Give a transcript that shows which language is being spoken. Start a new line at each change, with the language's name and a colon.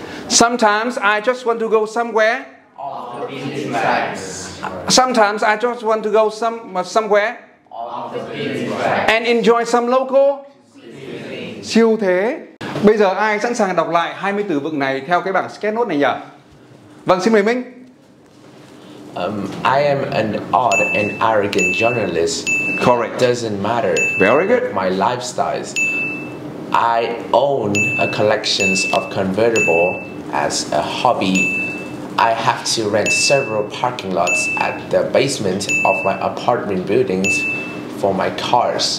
English: Sometimes I just want to go somewhere. Sometimes I just want to go somewhere and enjoy some local.
Vietnamese: Siêu thế. Bây giờ ai sẵn sàng đọc lại 20 từ vựng này theo cái bảng sketch note này nhỉ? Vâng, xin mời Minh.
English: I am an odd and arrogant journalist. Correct. Doesn't matter. Very good. My lifestyle. I own a collection of convertible as a hobby. I have to rent several parking lots at the basement of my apartment buildings for my cars.